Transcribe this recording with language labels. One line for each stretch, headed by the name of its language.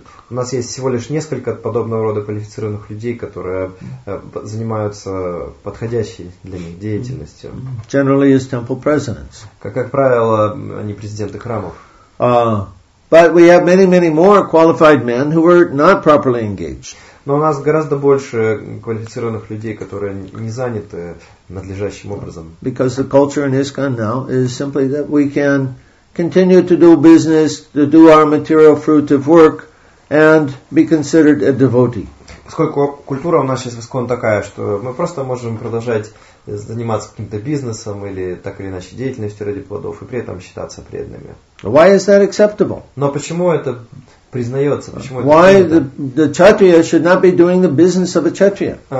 Russian: У нас есть всего лишь несколько подобного рода квалифицированных людей, которые занимаются подходящей для них деятельностью.
English: Generally is temple presidents.
Russian: Как правило, они президенты храмов.
English: But we have many, many more qualified men who are not properly engaged.
Russian: Но у нас гораздо больше квалифицированных людей, которые не заняты надлежащим образом.
English: Because the culture in ISKCON now is simply that we can continue to do business, to do our material fruitive work, and be considered a devotee.
Russian: Поскольку культура у нас сейчас в Искон такая, что мы просто можем продолжать заниматься каким-то бизнесом или так или иначе деятельностью ради плодов и при этом считаться преданными.
English: Why is that acceptable?
Russian: Но почему это признается? Почему
English: Why
Russian: это
English: the kshatriya should not be doing the business of a kshatriya?